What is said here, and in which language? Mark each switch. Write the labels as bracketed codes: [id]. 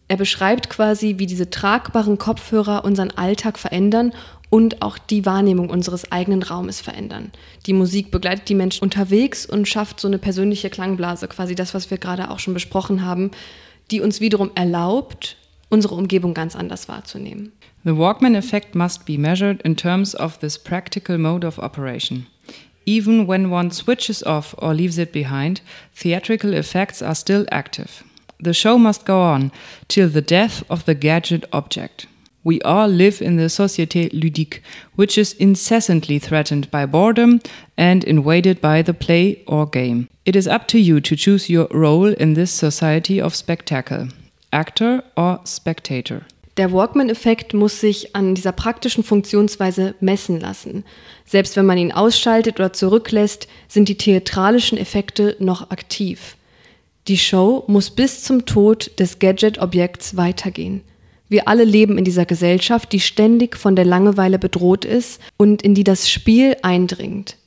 [de] Er beschreibt quasi, wie diese tragbaren Kopfhörer unseren Alltag verändern und auch die Wahrnehmung unseres eigenen Raumes verändern. Die Musik begleitet die Menschen unterwegs und schafft so eine persönliche Klangblase, quasi das, was wir gerade auch schon besprochen haben, die uns wiederum erlaubt, unsere Umgebung ganz anders wahrzunehmen. [en] The Walkman effect must be measured in terms of this practical mode of operation. Even when one switches off or leaves it behind, theatrical effects are still active. The show must go on till the death of the gadget object. We all live in the société ludique, which is incessantly threatened by boredom and invaded by the play or game. It is up to you to choose your role in this society of spectacle, actor or spectator. [de] Der Walkman-Effekt muss sich an dieser praktischen Funktionsweise messen lassen. Selbst wenn man ihn ausschaltet oder zurücklässt, sind die theatralischen Effekte noch aktiv. Die Show muss bis zum Tod des Gadget-Objekts weitergehen. Wir alle leben in dieser Gesellschaft, die ständig von der Langeweile bedroht ist und in die das Spiel eindringt.